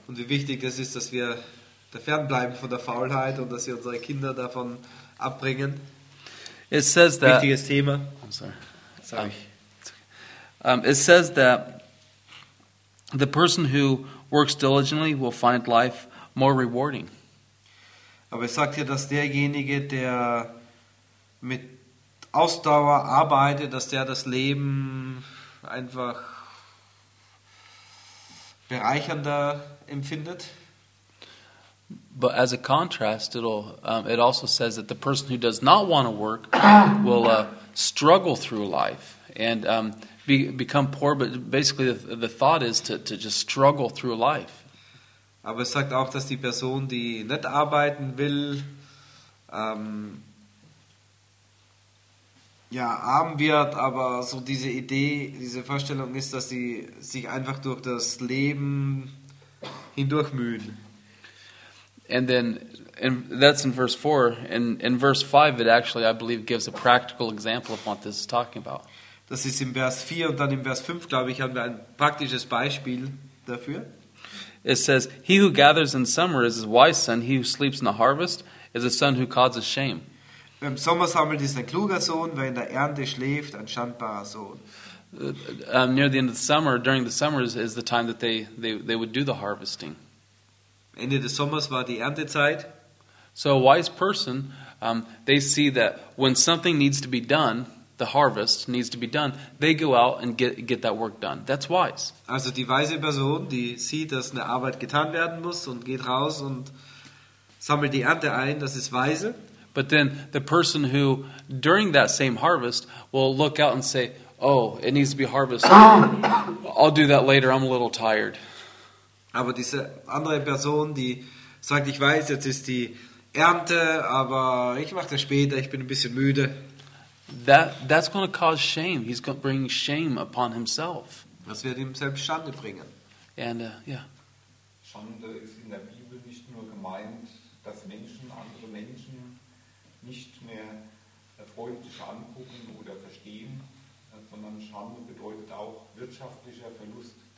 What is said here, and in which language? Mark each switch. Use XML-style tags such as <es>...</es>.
<de>Und wie wichtig das ist, dass wir fernbleiben von der Faulheit und dass sie unsere Kinder davon abbringen.</de> <en>It says that,</en> <de>wichtiges Thema.</de> <en>I'm sorry. It says that the person who works diligently will find life more rewarding.</en> <de>Aber es sagt hier, dass derjenige, der mit Ausdauer arbeitet, dass der das Leben einfach bereichernder empfindet.</de> <en>But as a contrast, it also says that the person who does not want to work will struggle through life and become poor. But basically, the thought is to just struggle through life.</en> <de>Aber es sagt auch, dass die Person, die nicht arbeiten will, arm wird, aber so diese Idee, diese Vorstellung ist, dass sie sich einfach durch das Leben hindurch mühen.</de> <en>And then, that's in verse 4. In verse 5, it actually, I believe, gives a practical example of what this is talking about.</en> <de>Das ist in Vers 4 und dann in Vers 5, glaube ich, haben wir ein praktisches Beispiel dafür.</de> <en>It says, he who gathers in summer is a wise son, he who sleeps in the harvest is a son who causes shame.</en> <de>Wer im Sommer sammelt, ist ein kluger Sohn, wer in der Ernte schläft, ein schandbarer Sohn.</de> <en>Near the end of the summer, during the summer, is the time that they would do the harvesting.</en> <de>Ende des Sommers war die Erntezeit.</de> <en>So a wise person, they see that when something needs to be done, the harvest needs to be done, they go out and get that work done. That's wise.</en> <de>Also die weise Person, die sieht, dass eine Arbeit getan werden muss und geht raus und sammelt die Ernte ein, das ist weise.</de> <en>But then the person who, during that same harvest, will look out and say, oh, it needs to be harvested. I'll do that later, I'm a little tired.</en> <de>Aber diese andere Person, die sagt, ich weiß, jetzt ist die Ernte, aber ich mache das später, ich bin ein bisschen müde.</de> <en>That's going to cause shame. He's going to bring shame upon himself.</en> <de>Das wird ihm selbst Schande bringen.</de> <en>And,</en> <de>Schande ist in der Bibel nicht nur gemeint, dass Menschen andere Menschen nicht mehr freundlich angucken oder verstehen, sondern Schande bedeutet auch wirtschaftlicher Verlust.</de>